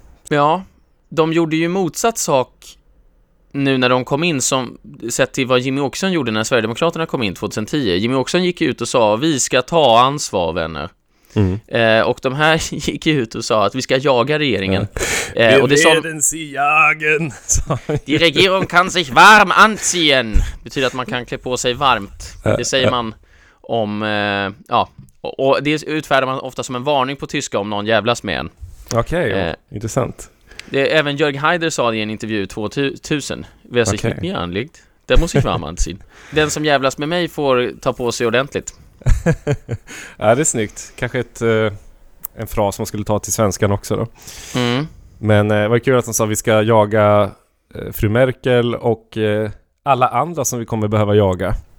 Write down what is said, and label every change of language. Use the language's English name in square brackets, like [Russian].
[Swedish] Ja, de gjorde ju motsatt sak nu när de kom in, som sett till vad Jimmy Åkesson gjorde när Sverigedemokraterna kom in 2010. Jimmy Åkesson gick ut och sa vi ska ta ansvar, vänner. Och de här gick ut och sa att vi ska jaga regeringen. Och det är den sijagen. [German] Die Regierung kann sich warm anziehen. [Swedish] Betyder att man kan klä på sig varmt. Det säger man om ja, och det utfärdar man ofta som en varning på tyska om någon jävlas med en. Okej, okay, intressant. Även Jörg Haider sa det i en intervju 2000. [German] Wer sich mit mir anlegt, der muss sich warm anziehen. [Swedish] Den som jävlas med mig får ta på sig ordentligt. Ja, det är snyggt. Kanske en fras som man skulle ta till svenskan också då. Mm. Men det var kul att han sa att vi ska jaga fru Merkel och alla andra som vi kommer behöva jaga.